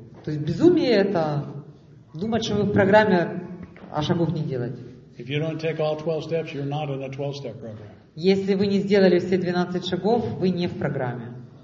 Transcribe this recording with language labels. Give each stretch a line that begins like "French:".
Russian: То есть безумие это думать, что вы в программе, а шагов не делать.
English: If you don't take all 12 steps, you're not in a 12-step program.
Russian: Если вы не сделали все 12 шагов, вы не в программе.